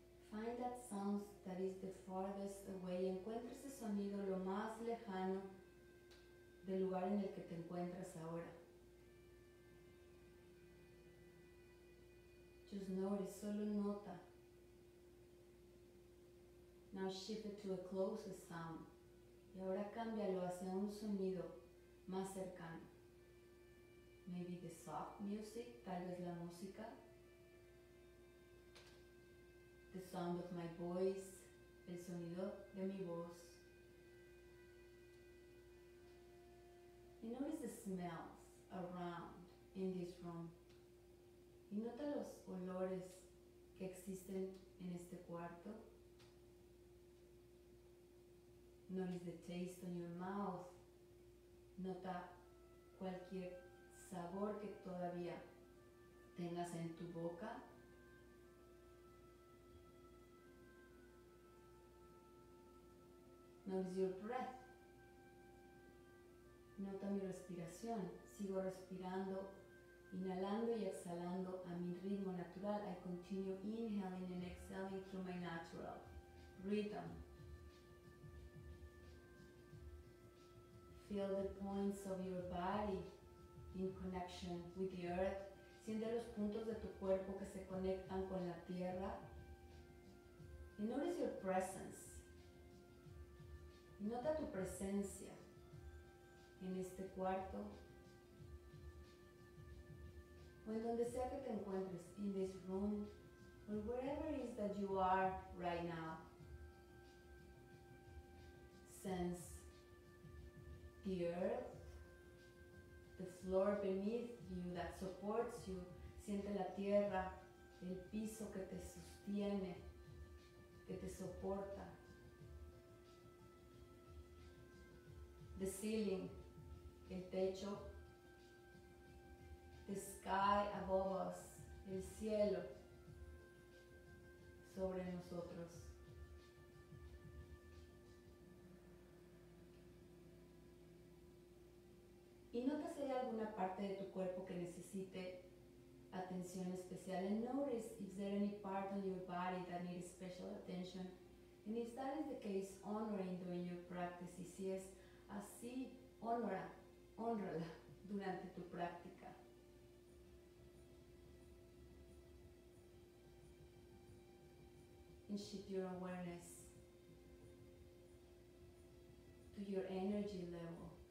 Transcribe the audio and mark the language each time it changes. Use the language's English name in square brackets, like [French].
[English] Find that sound that is the farthest away. [Spanish] Encuentra ese sonido lo más lejano del lugar en el que te encuentras ahora. [English] Just notice, [Spanish] solo nota. [English] Now shift it to a closer sound. [Spanish] Y ahora cámbialo hacia un sonido más cercano. [English] Maybe the soft music, [Spanish] tal vez la música. [English] The sound of my voice, [Spanish] el sonido de mi voz. [English] Y notice the smells around in this room. [Spanish] Y nota los olores que existen en este cuarto. [English] Notice the taste on your mouth. [Spanish] Nota cualquier sabor que todavía tengas en tu boca. [English] Notice your breath. [Spanish] Nota mi respiración. Sigo respirando, inhalando y exhalando a mi ritmo natural. [English] I continue inhaling and exhaling through my natural rhythm. Feel the points of your body in connection with the earth. [Spanish] Siente los puntos de tu cuerpo que se conectan con la tierra. [English] And notice your presence. [Spanish] Nota tu presencia en este cuarto o en donde sea que te encuentres, [English] in this room or wherever it is that you are right now. Sense the earth, the floor beneath you that supports you. [Spanish] Siente la tierra, el piso que te sostiene, que te soporta. [English] The ceiling, [Spanish] el techo. [English] The sky above us, [Spanish] el cielo sobre nosotros. Y nota si hay alguna parte de tu cuerpo que necesite atención especial. [English] And notice if there any part on your body that needs special attention. And if that is the case, honoring during your practice. [Spanish] Y si es así, honrala durante tu práctica. [English] And shift your awareness to your energy level.